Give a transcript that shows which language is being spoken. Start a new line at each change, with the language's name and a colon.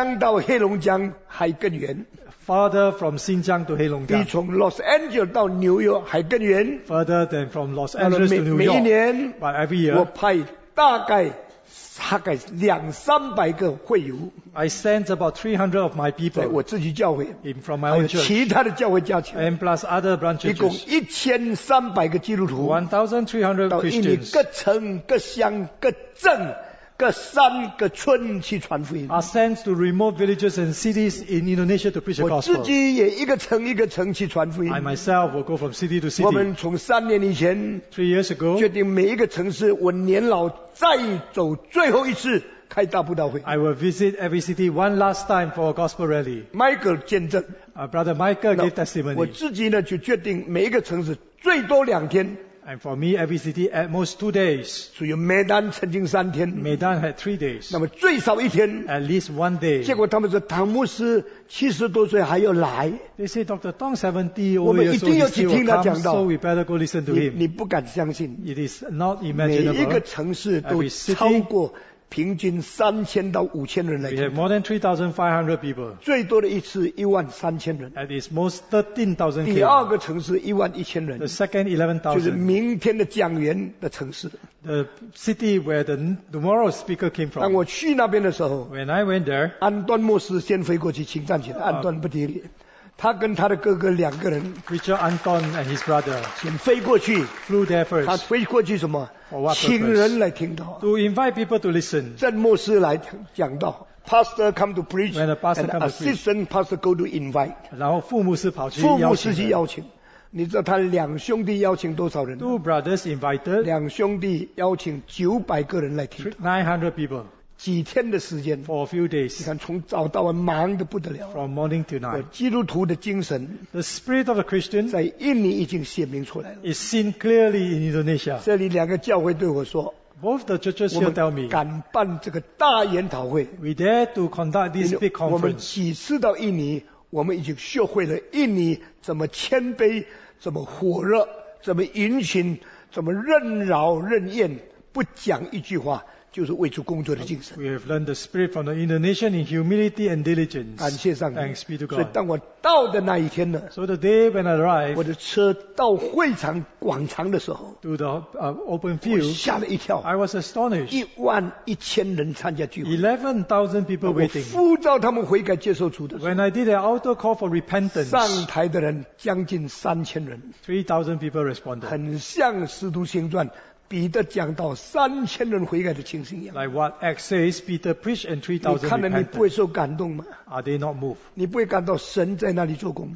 Chinese: 比从新疆到黑龙江还更远,
English: farther from Xinjiang to Heilongjiang.
Chinese: 比从 Los Angeles 到 New York 还更远,
English: further than from Los Angeles to New York.
Chinese: 每一年,
English: but every year,
Chinese: 我派大概 200-300个会友,
English: I sent about 300 of my people,
Chinese: 我自己教会,
English: in from my own church,
Chinese: 其他的教会加起来,
English: and plus other branches,
Chinese: 一共 1300个基督徒,
English: 1300 Christians,
Chinese: 各山各村去传福音,
English: are sent to remote villages and cities in Indonesia to preach the gospel.
Chinese: 我自己也一个城一个城去传福音,
English: I myself will go from city to city.
Chinese: 我们从3年以前,
English: 3 years ago,
Chinese: 决定每一个城市我年老再走最后一次, 开大布道会。
English: I will visit every city one last time for a gospel rally.
Chinese: Michael 见证。
English: Brother Michael gave testimony.
Chinese: 我自己呢就决定每一个城市最多两天。
English: And for me, every city at most 2 days.
Chinese: 所以梅丹曾经三天。
English: 梅丹 had 3 days.
Chinese: 那么最少一天。
English: At least 1 day.
Chinese: 结果他们说唐牧师七十多岁还要来。
English: They say Dr. Tong 70 years old.
Chinese: 我们一定要去听他讲道。
English: So we better go listen to him.
Chinese: 你不敢相信。
English: It is not imaginable.
Chinese: 每一个城市都超过平均3000到5000人来。
English: We have more than 3,500 people.
Chinese: 最多的一次13,000人。
English: At its most 13,000.
Chinese: 第二个城市11,000人。
English: The second 11,000.
Chinese: 就是明天的讲员的城市。
English: The city where the tomorrow speaker came from.
Chinese: 当我去那边的时候
English: ，When I went there，
Chinese: 安端牧师先飞过去，请站起来，安端不提理。他跟他的哥哥两个人
English: ，Richard Anton and his brother，
Chinese: 先飞过去
English: ，flew there first。
Chinese: 他飞过去什么？请人来听到
English: ，to invite people to listen。
Chinese: 郑牧师来讲道 ，
English: pastor come to preach， when the pastor and assistant pastor go to invite。
Chinese: 然后副牧师跑去，副牧师去邀请。你知道他两兄弟邀请多少人
English: ？Two brothers invited。
Chinese: 两兄弟邀请900个人来听
English: ，900 people。
Chinese: 几天的时间
English: ，for a few days，
Chinese: 你看从早到晚忙得不得了
English: ，from morning to night，
Chinese: 基督徒的精神
English: ，the spirit of a Christian，
Chinese: 在印尼已经显明出来了
English: ，is seen clearly in Indonesia。
Chinese: 这里两个教会对我说
English: ，both the churches here tell me，
Chinese: 我们敢办这个大研讨会
English: ，we dare to conduct this big conference。
Chinese: 我们几次到印尼，我们已经学会了印尼怎么谦卑，怎么火热，怎么殷勤，怎么任劳任怨，不讲一句话。就是为主工作的精神。
English: We have learned the spirit from the Indonesian in humility and diligence.
Chinese: 感谢上帝。
English: Thanks be to God.
Chinese: 所以当我到的那一天呢
English: ？So the day when I arrived，
Chinese: 我的车到会场广场的时候
English: ，to the open field，
Chinese: 我吓了一跳。
English: I was astonished.
Chinese: 11,000人参加聚会。
English: 11,000 people waiting.
Chinese: 我呼召他们悔改接受主的时候。
English: When I did an altar call for repentance，
Chinese: 上台的人将近3,000人。
English: 3,000 people responded.
Chinese: 很像《使徒行传》。彼得讲到3,000人悔改的情形一样。
English: Like what Acts says, Peter preached and 3,000 repented.
Chinese: 你看了，你不会受感动吗
English: ？Are they not moved?
Chinese: 你不会感到神在那里做工吗